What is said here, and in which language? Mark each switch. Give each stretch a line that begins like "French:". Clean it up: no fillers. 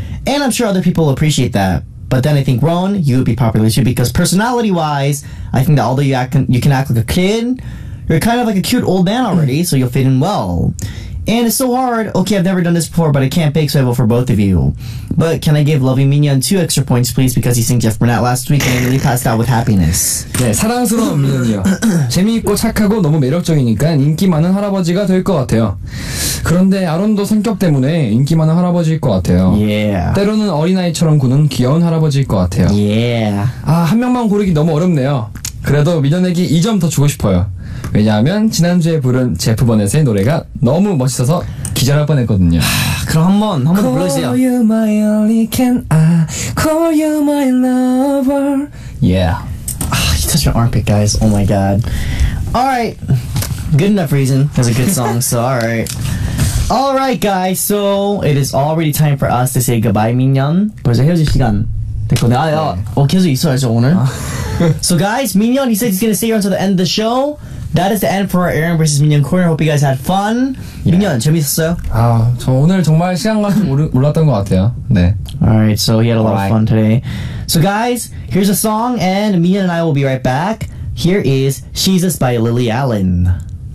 English: And I'm sure other people appreciate that. But then I think, Rowan, you would be popular too because personality-wise, I think that although you can act like a kid, you're kind of like a cute old man already, so you'll fit in well. And it's so hard. Okay, I've never done this before, but I can't bake, so I vote for both of you. But can I give Lovey Minyeon 2 extra points, please? Because he sang Jeff Burnett last week and he really passed out with happiness.
Korean: 네, 사랑스러운 민현이요. 재미있고 착하고 너무 매력적이니까 인기 많은 할아버지가 될 것 같아요. 그런데 아론도 성격 때문에 인기 많은 할아버지일 것 같아요.
English: Yeah.
Korean: 때로는 어린아이처럼 구는 귀여운 할아버지일 것 같아요.
English: Yeah.
Korean: 아, 한 명만 고르기 너무 어렵네요. 그래도 민현에게 2점 더 주고 싶어요. 왜냐하면 지난주에 부른 제프 버넷의 노래가 너무 멋있어서 기절할 뻔했거든요. 그럼 한번
English: call
Korean: 불러주세요.
English: Call you my only can I call you my lover. Yeah. You touched my armpit, guys. Oh my god. Alright. Good enough reason. That's a good song, so alright. Alright, guys. So, it is already time for us to say goodbye, 민현.
Korean: 벌써 헤어질 시간 됐거든요. 계속 있어야죠, 오늘.
English: So, guys, 민현, he said he's gonna stay here until the end of the show. That is the end for our Aaron vs. Minyeon corner. Hope you guys had fun. Yeah. Minyeon,
Korean: 재밌었어요? 아, 저 오늘 정말 시간 가 좀 몰랐던 것 같아요. 네.
English: Alright, so he had a lot of fun today. So guys, here's a song and Minyeon and I will be right back. Here is She's Us by Lily Allen.